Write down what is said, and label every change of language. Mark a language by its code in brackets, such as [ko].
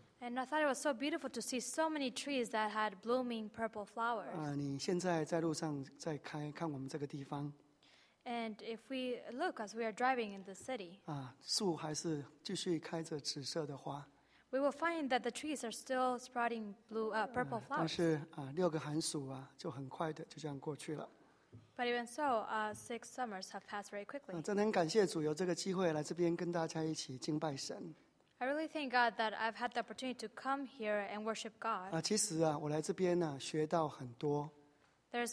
[en] And I thought it was so beautiful to see so many trees that had blooming purple flowers. [zh] 你现在在路上在开，看我们这个地方。 [en] And if we look as we are driving in the city, [zh] 树还是继续开着紫色的花。 [en] We will find that the trees are still sprouting blue, purple flowers. [zh] 但是，六个寒暑啊，就很快的就这样过去了。 [en] But even so, six summers have passed very quickly. [zh] 真的很感谢主有这个机会来这边跟大家一起敬拜神。 [en] I really thank God that I've had the opportunity to come here and worship God. [zh] 其实啊，我来这边呢，学到很多。 [en] There's